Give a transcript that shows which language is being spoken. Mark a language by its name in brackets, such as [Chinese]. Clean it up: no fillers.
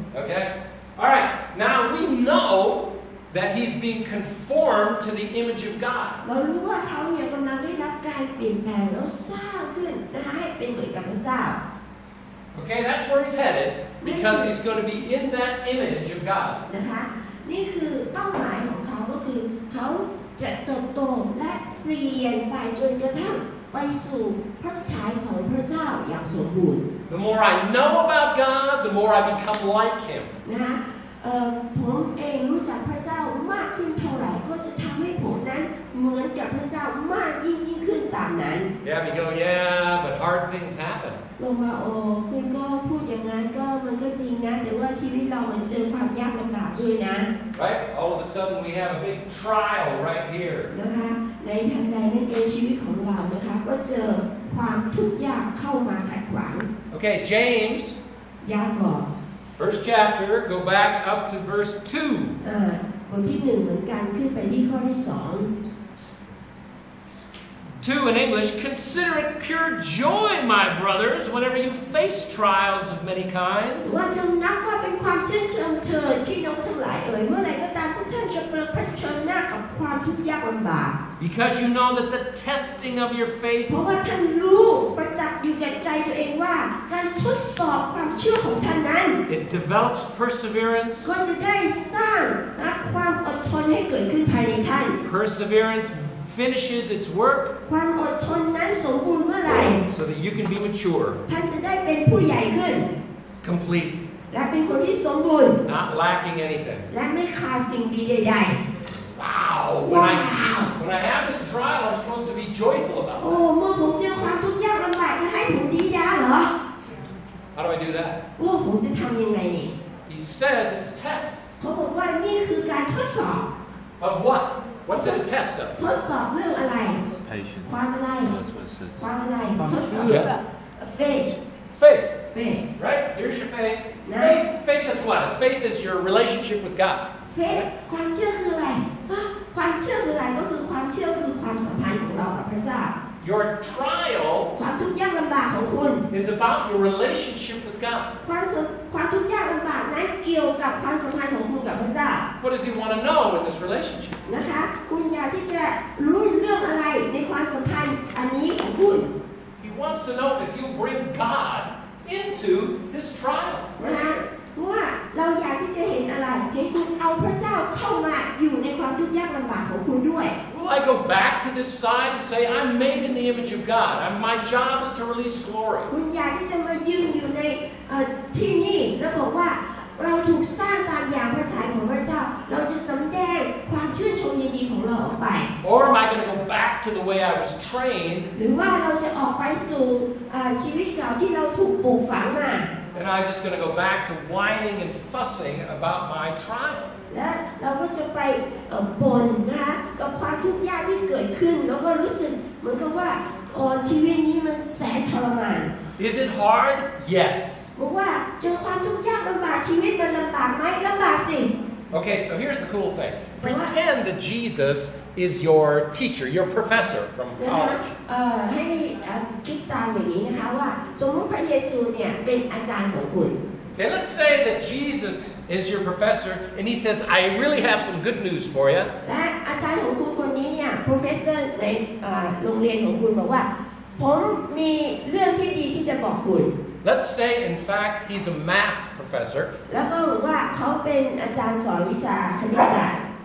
[English] Okay All right Now we know that he's being conformed to the image of God [Thai] เรารู้ว่าเขาเนี่ยกำลังได้รับการเปลี่ยนแปลงแล้วสร้างขึ้นนะคะให้เป็นเหมือนกับพระเจ้า [English] Okay, that's where he's headed, because he's going to be in that image of God. [Thai] นะคะ นี่คือเป้าหมายของเขาก็คือเขาจะเติบโตและเปลี่ยนไปจนกระทั่งไปสู่พระฉายของพระเจ้าอย่างสมบูรณ์ [English] The more I know about God, the more I become like him. [Thai] นะผมเองรู้จักพระเจ้ามากขึ้นเท่าไหร่ก็จะทำให้ผมนั้นเหมือนกับพระเจ้ามากยิ่งขึ้นตามนั้น [English] Yeah, we go, yeah, but hard things happen. [Thai] ลงมาโอ้คุณก็พูดอย่างนั้นก็มันก็จริงนะแต่ว่าชีวิตเรามันเจอความยากลำบากด้วยนะ [English] Right all of a sudden we have a big trial right here [Thai] นะคะในทางใดนั่นเองชีวิตของเรานะคะก็เจอความทุกข์ยากเข้ามาขัดขวาง [English] Okay James [Thai] ยากก่อน [English] First chapter go back up to verse 2 [Thai] บทที่1เหมือนกันขึ้นไปที่ข้อที่2 [English] Two in English. Consider it pure joy, my brothers, whenever you face trials of many kinds. [Thai] ว่าจงนับว่าเป็นความชื่นชมเถิดพี่น้องทั้งหลายเอ่ยเมื่อไรก็ตามที่ท่านจะเผชิญหน้ากับความทุกข์ยากลำบาก [English] Because you know that the testing of your faith. [Thai] เพราะว่าท่านรู้ประจักษ์อยู่แก่ใจตัวเองว่าการทดสอบความเชื่อของท่านนั้น [English] It develops perseverance. [Thai] ก็จะได้สร้างนะความอดทนให้เกิดขึ้นภายในท่าน [English] Perseverance. Finishes its work. [Thai] ความอดทนนั้นสมบูรณ์เมื่อไหร่ [English] So that you can be mature. [Thai] ท่านจะได้เป็นผู้ใหญ่ขึ้น [English] Complete. [Thai] และเป็นคนที่สมบูรณ์ [English] Not lacking anything. [Thai] และไม่ขาดสิ่งดีใด [English] ๆ Wow. When I have this trial, I'm supposed to be joyful about it. [Thai] โอ้เมื่อผมเจอความทุกข์ยากลำบากจะให้ผมดีใจเหรอ [English] How do I do that? [Thai] โอ้ผมจะทำยังไงนี่ [English] He says it's a test. [Thai] เขาบอกว่านี่คือการทดสอบ [English] Of what? What's it a test of? [Thai] ทดสอบเรื่องอะไร [English] Patience. [Thai] ความอะไร [English] That's what it says. [Thai] ความอะไร ความเชื่อ [English] Faith. Faith. Faith. Right? Here's your faith. Faith. Faith is what? Faith is your relationship with God. Faith. [Thai] ความเชื่อคืออะไรความเชื่อคืออะไรก็คือความเชื่อคือความสัมพันธ์ของเรากับพระเจ้า [English] Your trial. [Thai] ความทุกข์ยากลำบากของคุณ [English] is about your relationship with God. [Thai] ความทุกข์ยากลำบากนั้นเกี่ยวกับความสัมพันธ์ของคุณกับพระเจ้า [English] What does He want to know in this relationship? [Thai] นะคะคุณอยากที่จะรู้เรื่องอะไรในความสัมพันธ์อันนี้ของคุณ [English] He wants to know if you bring God into this trial [Thai] นะคะว่าเราอยากที่จะเห็นอะไรให้คุณเอาพระเจ้าเข้ามาอยู่ในความทุกข์ยากลำบากของคุณด้วย [English] Will I go back to this side and say I'm made in the image of God and my job is to release glory [Thai] คุณอยากที่จะมายืนอยู่ในที่นี่แล้วบอกว่าเราถูกสร้างตามอย่างพระฉายของพระเจ้าเราจะสำแดงความชื่นชมยินดีของเราออกไป [English] Or am I going to go back to the way I was trained [Thai] หรือว่าเราจะออกไปสู่ชีวิตเก่าที่เราถูกปลูกฝังมา [English] And I'm just going to go back to whining and fussing about my trial [Thai] และเราก็จะไปบ่นนะกับความทุกข์ยากที่เกิดขึ้นแล้วก็รู้สึกเหมือนกับว่าชีวิตนี้มันแสนทรมาน [English] Is it hard? Yes. [Thai] บอกว่าเจอความทุกข์ยากลำบากชีวิตมันลำบากไหมลำบากสิ [English] Okay so here's the cool thing pretend that Jesus is your teacher your professor from college [Thai] ให้คิดตามอย่างนี้นะคะว่าสมมติพระเยซูเนี่ยเป็นอาจารย์ของคุณ [English] Okay let's say that Jesus is your professor and he says I really have some good news for you [Thai] และอาจารย์ของคุณคนนี้เนี่ย professor ในโรงเรียนของคุณบอกว่า ผมมีเรื่องที่ดีที่จะบอกคุณ [English] Let's say in fact he's a math professor [Thai] แล้วก็ว่าเขาเป็นอาจารย์สอนวิชาคณิตศาสตร์